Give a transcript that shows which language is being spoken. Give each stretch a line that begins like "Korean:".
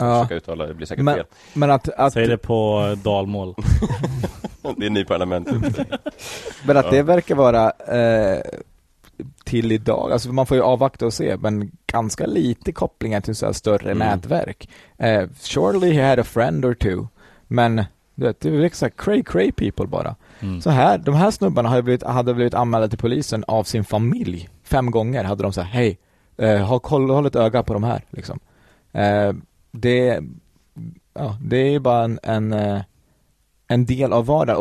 Swedish: Jag ska uttala, det blir säkert men, fel. Men att säg det på dalmål. Det är ny parlament. Men att ja, det verkar vara till idag. Alltså man får ju avvakta och se, men ganska lite kopplingar till så här större nätverk.
English: Surely he had a friend or two.
Swedish: Men du vet, det är ju såhär
English: cray people
Swedish: bara. Mm. Så här, de här snubbarna hade blivit anmälda till polisen av sin familj. 5 gånger hade de såhär, hej, håll ett öga på de här liksom. Det är ju bara en del av vardagen.